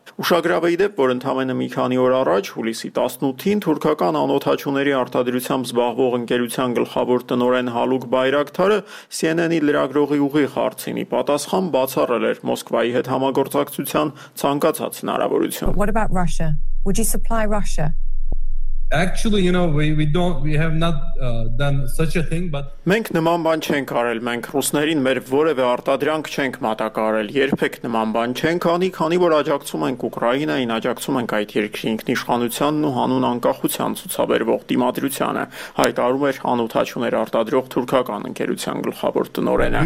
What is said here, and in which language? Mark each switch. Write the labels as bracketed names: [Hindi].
[Armenian] Ուշագրավ է, որ ընդամենը մի քանի օր առաջ, հուլիսի 18-ին, թուրքական անօթաչուների արտադրությամբ զբաղվող ընկերության գլխավոր տնօրեն Հալուկ Բայրակթարը CNN-ի լրագրողի ուղիղ հարցինի պատասխան բացառել էր Մոսկվայի հետ համագործակցության ցանկացած հնարավորություն։ [English] What about Russia? Would you supply Russia? Actually, you know, we have not done such a thing, but [Armenian] մենք նման բան չենք արել, մենք ռուսներին մեր որևէ արտադրանք չենք մատակարել, երբեք նման բան չենք անի, քանի որ աջակցում ենք Ուկրաինային, աջակցում ենք այդ երկրի ինքնիշխանությանն ու հանուն անկախության ցուցաբերող դիմադրությանը, հայտարարում էր հանութաչուներ արտադրող թուրքական ընկերության գլխավոր տնօրենը.